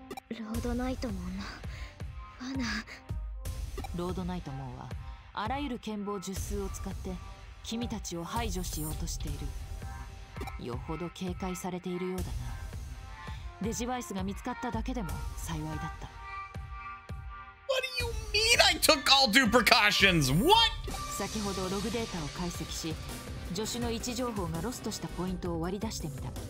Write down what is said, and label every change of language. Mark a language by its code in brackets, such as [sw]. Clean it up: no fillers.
[ja] ロードナイトモンの罠。ロードナイトモンはあらゆる剣謀術数を使って君たちを排除しようとしている。よほど警戒されているようだな。デジバイスが見つかっただけでも幸いだった。 [en] What do you mean I took all due precautions? What? [ja] 先ほどログデータを解析し、助手の位置情報がロストしたポイントを割り出してみた。